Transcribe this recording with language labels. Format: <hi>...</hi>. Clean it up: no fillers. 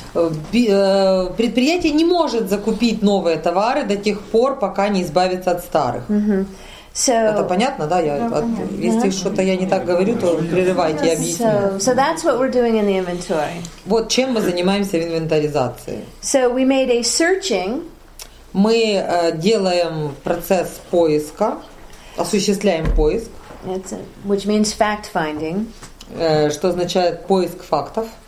<ru>Предприятие не может закупить новые товары до тех пор, пока не избавится от старых.</ru> <en>So,</en> <ru>это понятно, да? Если что-то я не так говорю, то прерывайте, я объясню.</ru> <en>So that's what we're doing in the inventory.</en> <ru>Вот чем мы занимаемся в инвентаризации.</ru> <en>So we made a searching.</en> <ru>Мы делаем процесс поиска, осуществляем поиск.</ru> <en>Which means fact-finding.</en> <ru>Что означает поиск фактов.</ru>